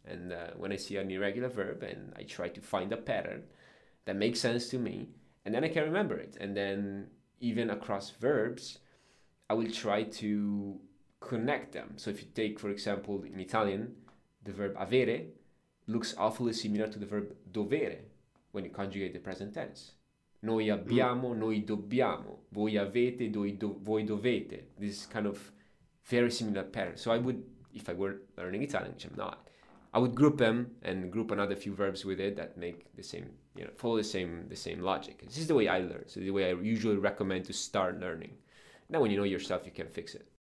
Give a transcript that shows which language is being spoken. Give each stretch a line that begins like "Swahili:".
English: And when I see an irregular verb and I try to find a pattern that makes sense to me, and then I can remember it. And then even across verbs, I will try to connect them. So if you take, for example, in Italian, the verb avere looks awfully similar to the verb dovere when you conjugate the present tense.
Italian: Noi abbiamo, noi dobbiamo, voi avete, voi dovete.
English: This kind of very similar pattern. So I would, if I were learning Italian, which I'm not, I would group them and group another few verbs with it that make the same, you know, follow the same logic. This is the way I learn. So the way I usually recommend to start learning. Now, when you know yourself, you can fix it.